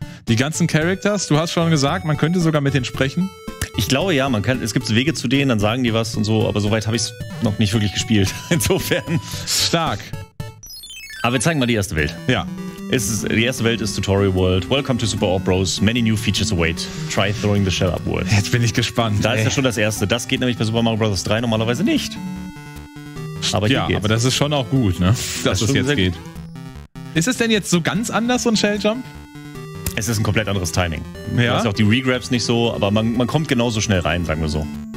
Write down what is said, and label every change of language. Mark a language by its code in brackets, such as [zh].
[de] Die ganzen Characters, du hast schon gesagt, man könnte sogar mit denen sprechen. Ich glaube ja, man kann. Es gibt Wege zu denen, dann sagen die was und so, aber soweit habe ich es noch nicht wirklich gespielt. Insofern. Stark. Aber wir zeigen mal die erste Welt. Ja. Die erste Welt ist Tutorial World. [en] Welcome to Super Orb Bros. Many new features await. Try throwing the shell up world. [de] Jetzt bin ich gespannt. Da ist ja schon das erste. Das geht nämlich bei Super Mario Bros. 3 normalerweise nicht. Aber hier geht's. Aber das ist schon auch gut, ne? Dass das jetzt geht. Ist es denn jetzt so ganz anders, so ein Shell Jump? Es ist ein komplett anderes Timing. Ja. Du hast auch die Regrabs nicht so, aber man kommt genauso schnell rein, sagen wir so.